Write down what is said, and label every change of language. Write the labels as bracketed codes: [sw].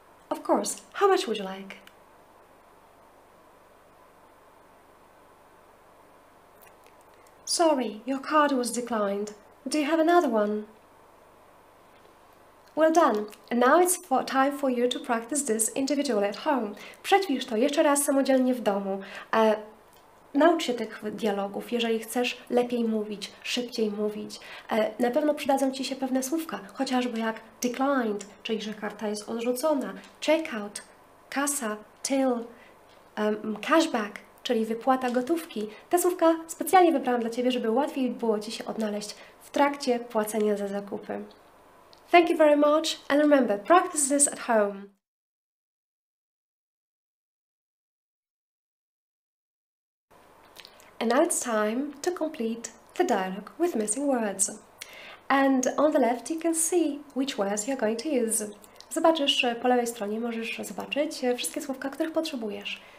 [en] Of course, how much would you like? Sorry, your card was declined. Do you have another one? Well done. And now it's time for you to practice this individually at home. [pl] Przećwicz to jeszcze raz samodzielnie w domu. Naucz się tych dialogów, jeżeli chcesz lepiej mówić, szybciej mówić. Na pewno przydadzą Ci się pewne słówka, chociażby jak declined, czyli że karta jest odrzucona, checkout, kasa, till, cashback, czyli wypłata gotówki. Te słówka specjalnie wybrałam dla Ciebie, żeby łatwiej było Ci się odnaleźć w trakcie płacenia za zakupy. [en] Thank you very much and remember, practice this at home. And now it's time to complete the dialogue with missing words. And on the left you can see which words you're going to use. [pl] Zobaczysz, po lewej stronie możesz zobaczyć wszystkie słówka, których potrzebujesz.